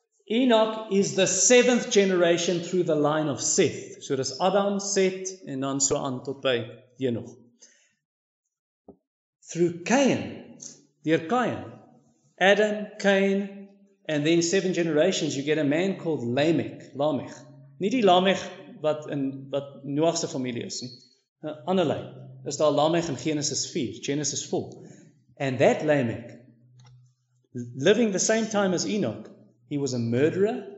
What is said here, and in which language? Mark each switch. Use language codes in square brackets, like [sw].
[en] Enoch is the seventh generation through the line of Seth. So it is Adam, Seth, and then so on [af] tot by [en] Enoch. Through Cain, dear Cain, Adam, Cain, and then seven generations, you get a man called Lamech. Lamech. [af] Nie die Lamech wat in wat Noach se familie is nie. Anderlei. Is daar Lamech in Genesis 4, Genesis 4. [en] And that Lamech, living the same time as Enoch, he was a murderer.